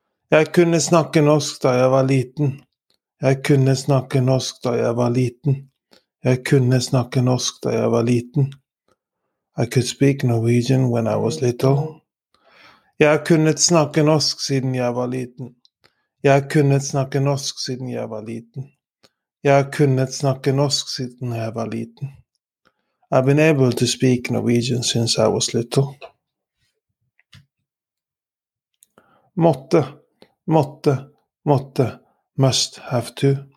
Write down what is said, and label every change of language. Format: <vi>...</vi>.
<no>Jeg kunne snakke norsk da jeg var liten, jeg kunne snakke norsk da jeg var liten, jeg kunne snakke norsk da jeg var liten.</no> <en>I could speak Norwegian when I was little.</en> <no>Jeg kunne snakke norsk siden jeg var liten. Jeg har kunnet snakke norsk siden jeg var liten. Jeg har kunnet snakke norsk siden jeg var liten.</no> <en>I've been able to speak Norwegian since I was little.</en> <no>Måtte, måtte, måtte,</no> <en>must, have to.</en>